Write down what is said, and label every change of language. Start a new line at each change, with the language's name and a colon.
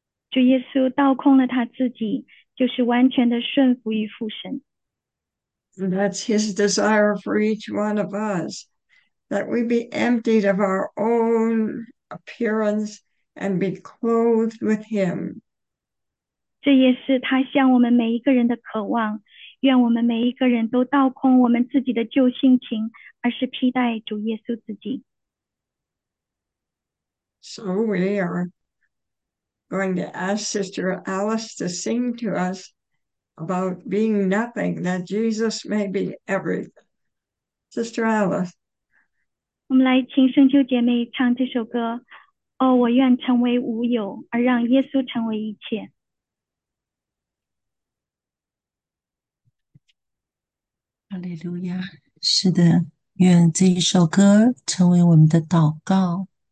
Chinese: 主耶稣倒空了他自己，就是完全的顺服于父神。
English: And that's his desire for each one of us, that we be emptied of our own appearance and be clothed with him.
Chinese: 这也是他向我们每一个人的渴望，愿我们每一个人都倒空我们自己的旧性情，而是披戴主耶稣自己。
English: So we are going to ask Sister Alice to sing to us about being nothing, that Jesus may be everything. Sister Alice.
Chinese: 我们来请圣秋姐妹唱这首歌，哦，我愿成为无有，而让耶稣成为一切。哈利路亚，是的，愿这一首歌成为我们的祷告。